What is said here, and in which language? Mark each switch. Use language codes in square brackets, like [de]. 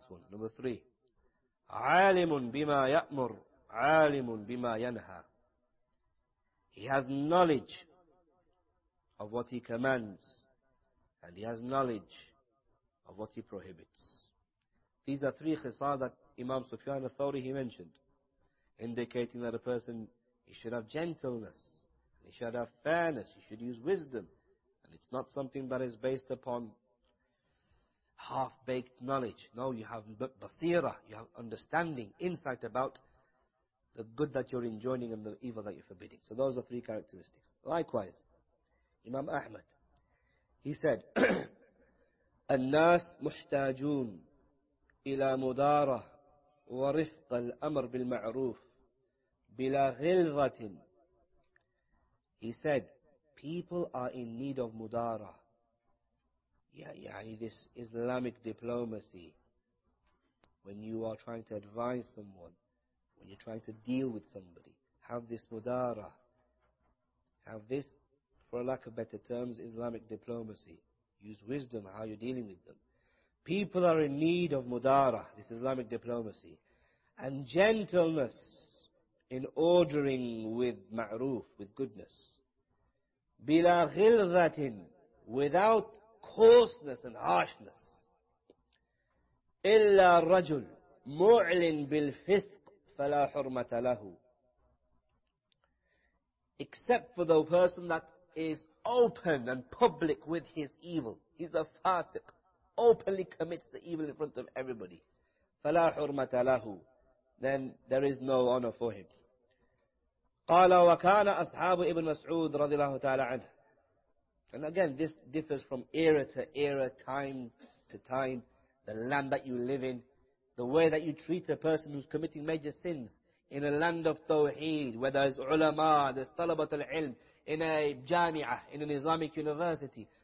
[en] Number three, [ar] عالم بما يأمر عالم بما ينهى. [en] He has knowledge of what he commands, and he has knowledge of what he prohibits. These are three khisal that Imam Sufyan al-Thawri, he mentioned, indicating that a person, he should have gentleness, and he should have fairness, he should use wisdom, and it's not something that is based upon half-baked knowledge. No, you have basira, you have understanding, insight about the good that you're enjoining and the evil that you're forbidding. So those are three characteristics. Likewise, Imam Ahmad, he said, [ar] الناس محتاجون إلى مدارة ورفق الأمر بالمعروف بلا غلظة. [en] He said, people are in need of مدارة. Yeah, this Islamic diplomacy, when you are trying to advise someone, when you're trying to deal with somebody, have this mudara, have this, for lack of better terms, Islamic diplomacy. Use wisdom how you're dealing with them. People are in need of mudara, this Islamic diplomacy, and gentleness in ordering with ma'roof, with goodness. [ar] Bila ghilzatin, [en] without coarseness and harshness. [ar] إلا رجل معلن بالفسق فلا حرمة له. [en] Except for the person that is open and public with his evil. He's a fasiq. Openly commits the evil in front of everybody. [ar] فلا حرمة له. [en] Then there is no honor for him. [ar] قال وكان أصحاب ابن مسعود رضي الله تعالى عنه. [en] And again, this differs from era to era, time to time, the land that you live in, the way that you treat a person who's committing major sins in a land of tawheed, where there's ulama, there's talabat al-ilm, in a jami'ah, in an Islamic university.